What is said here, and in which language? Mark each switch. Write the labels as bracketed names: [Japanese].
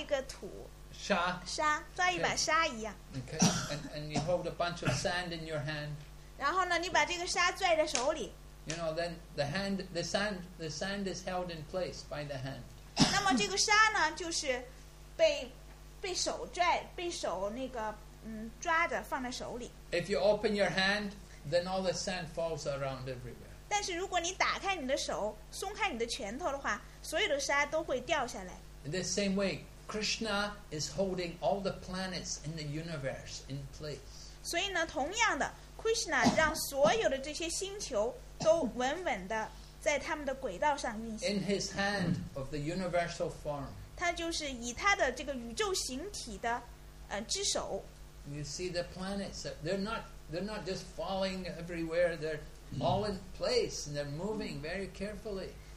[Chinese] 抓一把这个土沙，抓一把沙一样。 [English] Okay, and you hold a bunch of sand in your hand. [Chinese] 然后呢，你把这个沙拽在手里。 [English] You know, then the hand, the sand is held in place by the hand. [Chinese] 那么这个沙呢，就是被手那个抓着放在手里。 [English] If you open your hand, then all the sand falls around everywhere. [Chinese] 但是如果你打开你的手，松开你的拳头的话。 [English] In the same way, Krishna is holding all the planets in the universe in place. [Chinese] 所以呢，同样的 ，Krishna 让所有的这些星球都稳稳的在他们的轨道上运行。 [English] In his hand of the universal form. [Chinese] 他就是以他的这个宇宙形体的，之手。 [English] You see the planets; they're not just falling everywhere. They're all in place, and they're moving very carefully.